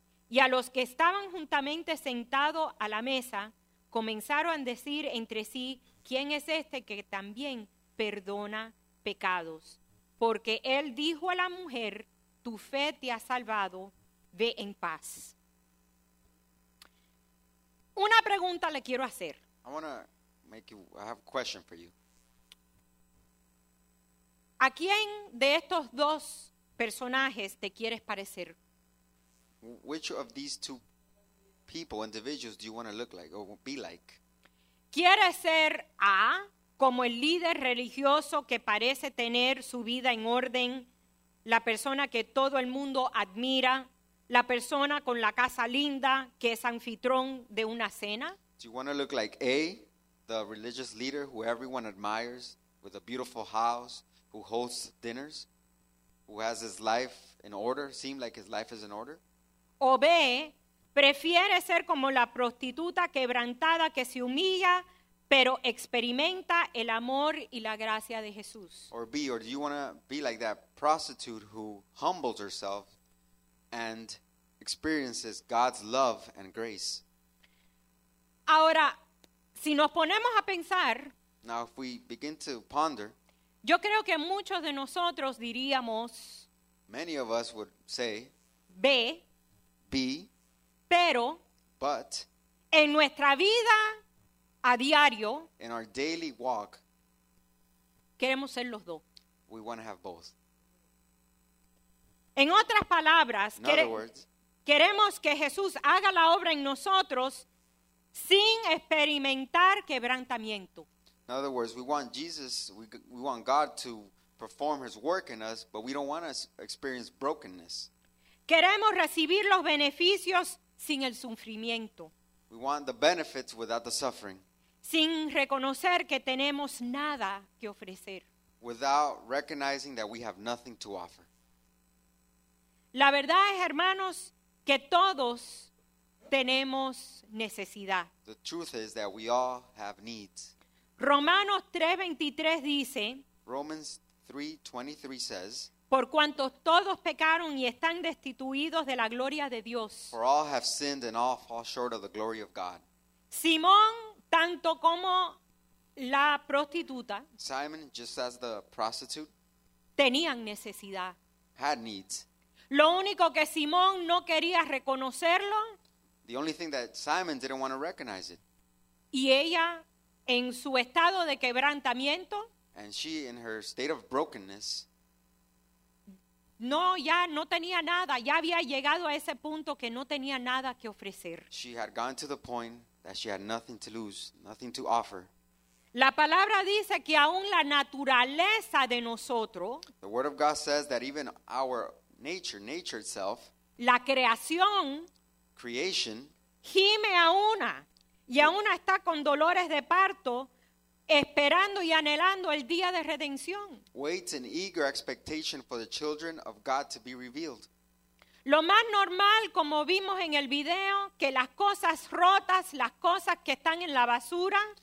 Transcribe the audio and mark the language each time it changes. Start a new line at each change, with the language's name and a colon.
Spanish: Y a los que estaban juntamente sentados a la mesa, comenzaron a decir entre sí, ¿quién es este que también perdona pecados? Porque él dijo a la mujer, tu fe te ha salvado, ve en paz. Una pregunta le quiero hacer.
English: I have a question for you.
Spanish: ¿A quién de estos dos personajes te quieres parecer?
English: Which of these two people, individuals, do you want to look like or be like?
Spanish: ¿Quieres ser A, como el líder religioso que parece tener su vida en orden, la persona que todo el mundo admira, la persona con la casa linda que es anfitrión de una cena?
English: Do you want to look like A, the religious leader who everyone admires, with a beautiful house, who hosts dinners, who has his life in order, seem like his life is in order?
Spanish: O B, prefiere ser como la prostituta quebrantada que se humilla, pero experimenta el amor y la gracia de Jesús.
English: Or B, or do you want to be like that prostitute who humbles herself and experiences God's love and grace?
Spanish: Ahora, si nos ponemos a pensar,
English: now if we begin to ponder,
Spanish: yo creo que muchos de nosotros diríamos,
English: many of us would say,
Spanish: B, pero,
English: but,
Spanish: en nuestra vida a diario,
English: in our daily walk,
Spanish: Queremos ser los dos.
English: We want to have both.
Spanish: En otras palabras, queremos que Jesús haga la obra en nosotros sin experimentar quebrantamiento.
English: In other words, we want God to perform his work in us, but we don't want to experience brokenness.
Spanish: Queremos recibir los beneficios sin el sufrimiento.
English: We want the benefits without the suffering.
Spanish: Sin reconocer que tenemos nada que ofrecer.
English: Without recognizing that we have nothing to offer.
Spanish: La verdad es, hermanos, que todos tenemos necesidad.
English: The truth is that we all have needs.
Spanish: Romanos 3:23 dice,
English: Romans 3:23 says,
Spanish: por cuanto todos pecaron y están destituidos de la gloria de Dios.
English: For all have sinned and all fall short of the glory of God.
Spanish: Simón, tanto como la prostituta,
English: Simon, just as the prostitute,
Spanish: tenían necesidad.
English: Had needs.
Spanish: Lo único que Simón no quería reconocerlo,
English: the only thing that Simon didn't want to recognize it.
Spanish: Y ella, en su estado de quebrantamiento,
English: and she, in her state of brokenness,
Spanish: no, ya no tenía nada. Ya había llegado a ese punto que no tenía nada que ofrecer.
English: She had gone to the point that she had nothing to lose, nothing to offer.
Spanish: La palabra dice que aún la naturaleza de nosotros,
English: the word of God says that even our nature itself,
Spanish: la creación,
English: creation,
Spanish: gime a una, y a una está con dolores de parto, esperando y anhelando el día de redención.
English: Waits in eager expectation for the children of God to be revealed.
Spanish: Lo más normal, como vimos en el video, que las cosas rotas, las cosas que están en la basura,